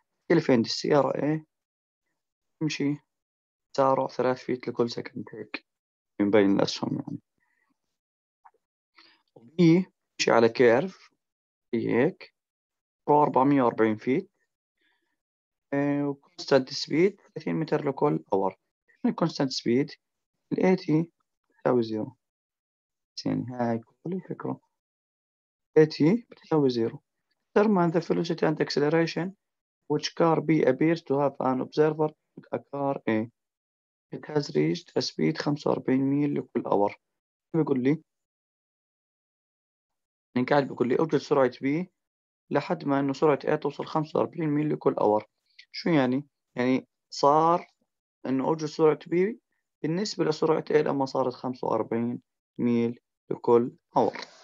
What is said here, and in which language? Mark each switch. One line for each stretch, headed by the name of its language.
Arabic: اللي فين دي السيارة ايه تمشي تسارع 3 فيت لكل سكند هيك من بين الأسهم يعني، وبي تمشي على كيرف هيك 440 فيت وكونستانت سبيد 30 متر لكل أور. الكونستانت سبيد الاي تي تساوي زيرو، يعني هاي كل الفكرة AT بتساوي زيرو.
English: Determine the velocity and acceleration which car B appears to have an observer a car A. It has reached a speed 45
Arabic: ميل لكل
English: hour.
Arabic: بيقول لي يعني قاعد بيقول لي أوجد سرعة B لحد ما أنه سرعة A توصل 45 ميل لكل hour. شو يعني؟ يعني صار أنه أوجد سرعة B بالنسبة لسرعة A لما صارت 45 ميل لكل hour.